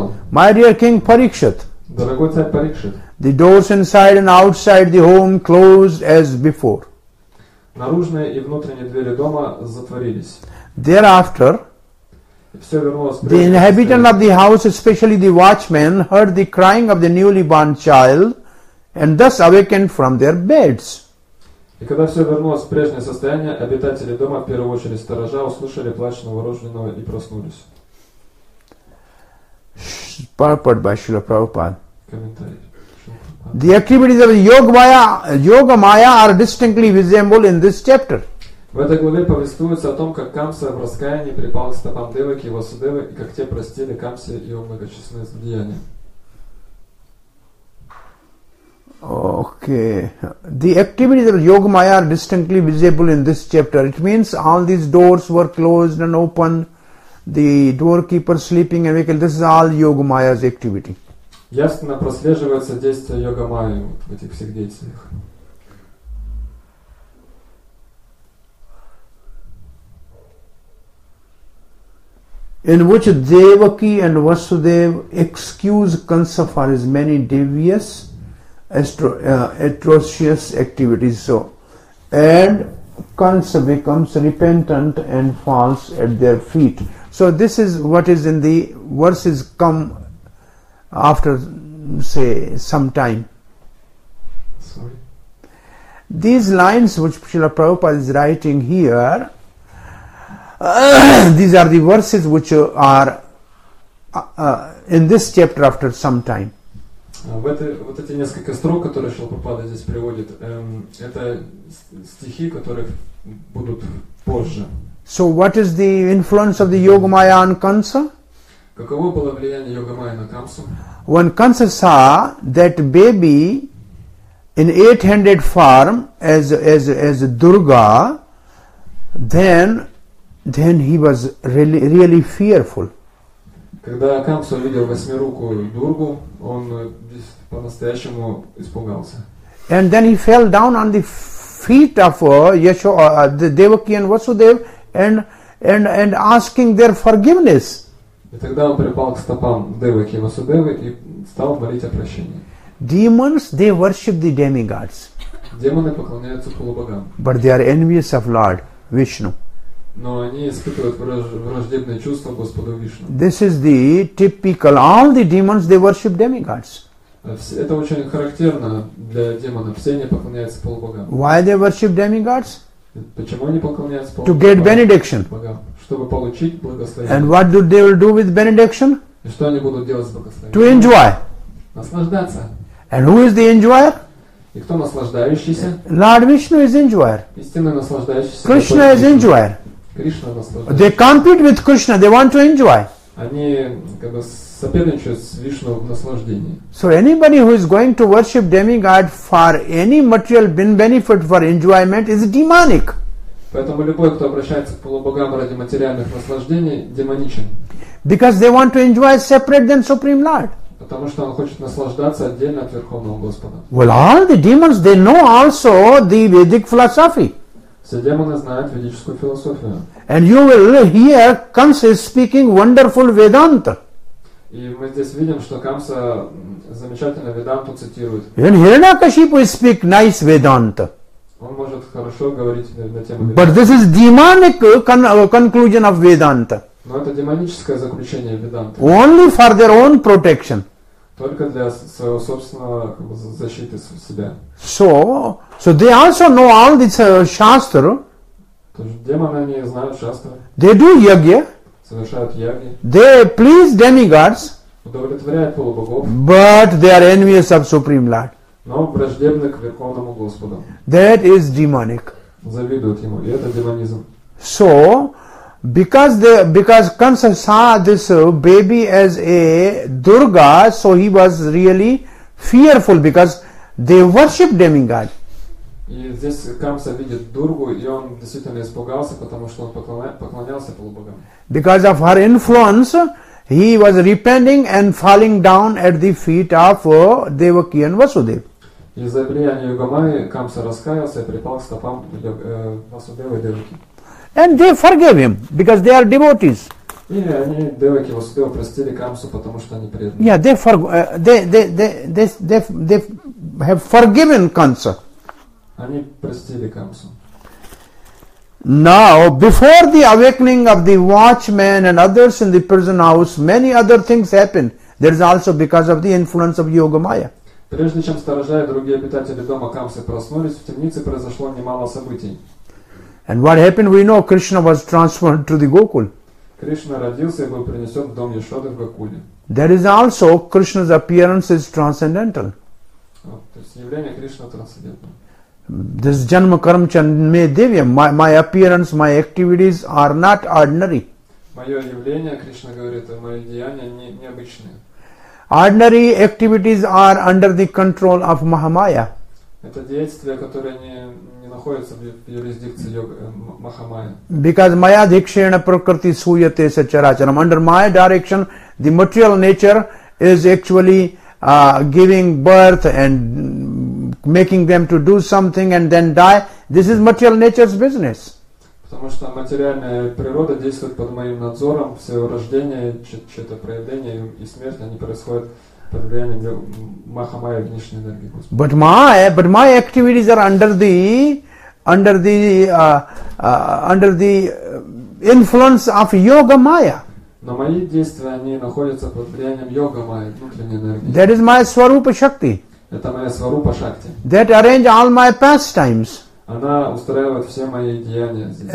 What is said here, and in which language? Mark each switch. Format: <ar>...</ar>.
<en>My dear King Parikshit, the doors inside and outside the home closed as before. Thereafter, the inhabitant of the house, especially the watchmen, heard the crying of the newly born child and thus awakened from their beds.</en> <ru>И когда все вернулось в прежнее состояние, обитатели дома, в первую очередь сторожа, услышали плач новорожденного и проснулись.</ru> <en>Prabhupada by Srila Prabhupada.</en> <ru>Комментарий.</ru> <en>The activities of Yogamaya are distinctly visible in this chapter.</en> <ru>В этой главе повествуется о том, как Камса в раскаянии припал к стопам Деваки и Васудевы, и как те простили Камсе его многочисленные злодеяния.</ru> <en>the activities of Yoga Maya are distinctly visible in this chapter. It means all these doors were closed and open, the doorkeeper sleeping and awake. This is all Yoga Maya's activity.</en> <ru>Ясно прослеживается действие Йога Майи в этих всех действиях.</ru> <en>In which Devaki and Vasudev excuse Kansa for his many devious atrocious activities. So, and Kansa becomes repentant and falls at their feet. So this is what is in the verses come after, say, some time. Sorry. These lines which Srila Prabhupada is writing here, these are the verses which are in this chapter after some time.</en> <ru>Вот эти несколько строк, которые Шрила Прабхупада здесь приводит, это стихи, которые будут позже.</ru> <en>So what is the influence of the Yoga Maya on Kansa?</en> <ru>Каково было влияние Йога Майи на Камсу?</ru> <en>When Kansa saw that baby in 800 form as Durga, then he was really, really fearful.</en> <ru>Когда Камсу увидел восьмирукую Дургу, он по-настоящему испугался.</ru> <en>And then he fell down on the feet of Devaki and Vasudev and asking their forgiveness.</en> <ru>И тогда он припал к стопам Девы и Васудевы и стал молить о прощении.</ru> <en>Demons, they worship the demigods.</en> <ru>Демоны поклоняются полубогам.</ru> <en>But they are envious of Lord Vishnu.</en> <ru>Но они испытывают враждебные чувства Господу Вишну.</ru> <en>This is the typical. All the demons, they worship demigods.</en> <ru>Это очень характерно для демонов. Все они поклоняются полубогам.</ru> <en>Why they worship demigods?</en> <ru>Почему они поклоняются полубогам?</ru> <en>To get benediction.</en> <ru>Чтобы получить благословение.</ru> <en>And what do they will do with benediction?</en> <ru>И что они будут делать с благословением?</ru> <en>To enjoy.</en> <ru>Наслаждаться.</ru> <en>And who is the enjoyer?</en> <ru>И кто наслаждающийся?</ru> <en>Lord Vishnu is enjoyer.</en> <ru>Истинно наслаждающийся.</ru> <en>Krishna is enjoyer.</en> <ru>Кришна наслаждается.</ru> <en>They compete with Krishna. They want to enjoy.</en> <ru>Они как бы соперничают с Вишну в наслаждении.</ru> <en>So anybody who is going to worship demigod for any material benefit for enjoyment is demonic.</en> <ru>Поэтому любой, кто обращается к полубогам ради материальных наслаждений, демоничен.</ru> <en>Because they want to enjoy separate than Supreme Lord.</en> <ru>Потому что он хочет наслаждаться отдельно от Верховного Господа.</ru> <en>Well, all the demons, they know also the Vedic philosophy.</en> <ru>Все демоны знают ведическую философию.</ru> <en>And you will hear Kamsa speaking wonderful Vedanta.</en> <ru>И мы здесь видим, что Камса замечательно Веданту цитирует.</ru> <en>And Hiranyakashipu speak nice Vedanta.</en> <ru>Он может хорошо говорить на тему Веданта.</ru> <en>But this is demonic conclusion of Vedanta.</en> <ru>Но это демоническое заключение Веданта.</ru> <en>Only for their own protection.</en> <ru>Только для своего собственного защиты себя.</ru> <en>So they also know all this Shastra.</en> <ru>То есть демоны, они знают Shastra.</ru> <en>They do Yagya.</en> <ru>Совершают Yagya.</ru> <en>They please demigods.</en> <ru>Удовлетворяют полубогов.</ru> <en>But they are envious of Supreme Lord.</en> <ru>Но враждебны к Верховному Господу.</ru> <en>That is demonic.</en> <ru>Завидуют ему. И это демонизм.</ru> <en>So, because Kansa saw this baby as a Durga, so he was really fearful because they worship demigod.</en> <ru>И здесь Камса видит Дургу, и он действительно испугался, потому что он поклонялся полубогам.</ru> <en>Because of her influence, he was repenting and falling down at the feet of Devaki and Vasudev.</en> <ru>Из-за влияния Йога Майи Камса раскаялся и припал к стопам Васудева и Деваки.</ru> <en>And they forgave him, because they are devotees.</en> <ru>И они Деваки и Васудева простили Камсу, потому что они преданы.</ru> <en>Yeah, they have forgiven Kansa.</en> <ru>Они простили Камсу.</ru> <en>Now, before the awakening of the watchman and others in the prison house, many other things happen. There is also because of the influence of Yoga Maya.</en> <ru>Прежде чем сторожа и другие обитатели дома Камсы проснулись, в темнице произошло немало событий.</ru> <en>And what happened, we know Krishna was transferred to the Gokul.</en> <ru>Кришна родился и был принесен в дом Яшоды в Гокуле.</ru> <en>There is also Krishna's appearance is transcendental.</en> <ru>То есть явление Кришны трансцендентное.</ru> <en>This</en> <sa>janma karma chanme devya,</sa> <en>my appearance, my activities are not ordinary.</en> <ru>Моё явление, Кришна говорит, мои деяния необычные.</ru> <en>Ordinary activities are under the control of Mahamaya.</en> <ru>Это действия, которые не находятся в юрисдикции йога Махамая.</ru> <en>Because</en> <sa>Maya Dikshena Prakriti Suyate Sacharacharam.</sa> <en>Under my direction, the material nature is actually giving birth and making them to do something and then die. This is material nature's business.</en> <ru>Потому что материальная природа действует под моим надзором, все рождение, чьё-то проявление и смерть, они происходят под влиянием Махамая, внешней энергии Господа.</ru> <en>But my activities are under the influence of Yoga Maya.</en> <ru>Но мои действия, они находятся под влиянием Йога Майя, внутренней энергии.</ru> <en>That is my Swarupa Shakti.</en> <ru>Это моя Swarupa Shakti.</ru> <en>That arrange all my pastimes.</en> <ru>Она устраивает все мои деяния здесь.</ru>